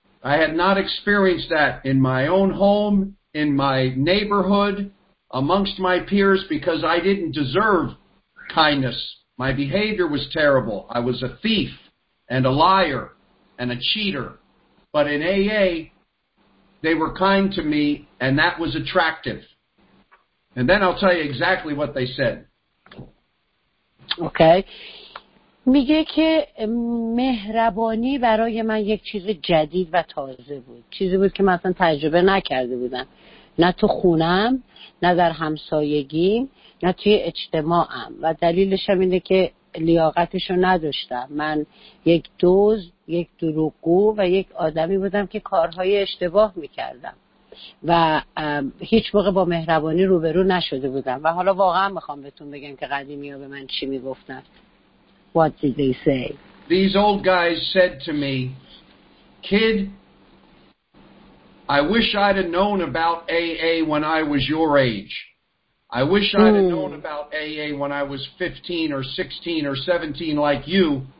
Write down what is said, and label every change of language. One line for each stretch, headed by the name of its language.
English: I had not experienced that in my own home, in my neighborhood, amongst my peers, because I didn't deserve kindness. My behavior was terrible. I was a thief and a liar and a cheater. But in AA, they were kind to me, and that was attractive. And then I'll tell you exactly what they said. Okay.
Persian: میگه که مهربانی برای من یک چیز جدید و تازه بود. چیزی بود که من اصلا تجربه نکرده بودم. نه تو خونم، نه در همسایگیم، نه توی اجتماعم. و دلیلش هم اینه که لیاقتشو نداشتم. من یک دوز، یک دروغگو و یک آدمی بودم که کارهای اشتباه میکردم. و هیچ موقع با مهربانی روبرو نشده بودم. و حالا واقعا میخوام بهتون بگم که قدیمی ها به من چی میگفتن.
English: What did they say? These old guys said to me, "Kid, I wish I'd have known about AA when I was your age. I wish I'd have known about AA when I was 15 or 16 or 17 like you.